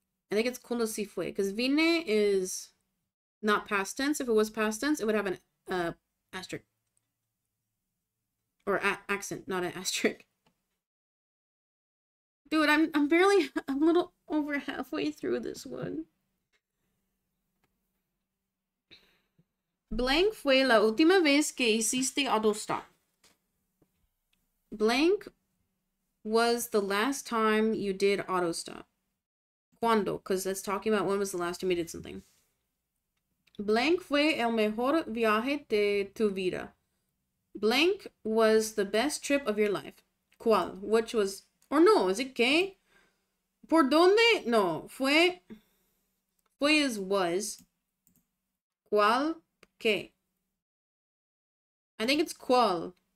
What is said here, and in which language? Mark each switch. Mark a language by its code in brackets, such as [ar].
[en] I think it's [es] cuando si fue, [en] because vine is not past tense. If it was past tense, it would have an asterisk. Or a accent, not an asterisk. Dude, I'm a little over halfway through this one. [es] Blank fue la última vez que hiciste auto stop. [en] Blank was the last time you did auto stop. Cuando, because that's talking about when was the last time you did something. [es] Blank fue el mejor viaje de tu vida. [en] Blank was the best trip of your life. ¿Cuál? Which was, or no, is it qué? [es] ¿Por dónde? No, fue. [en] Fue is was. ¿Cuál? ¿Qué? I think it's ¿cuál?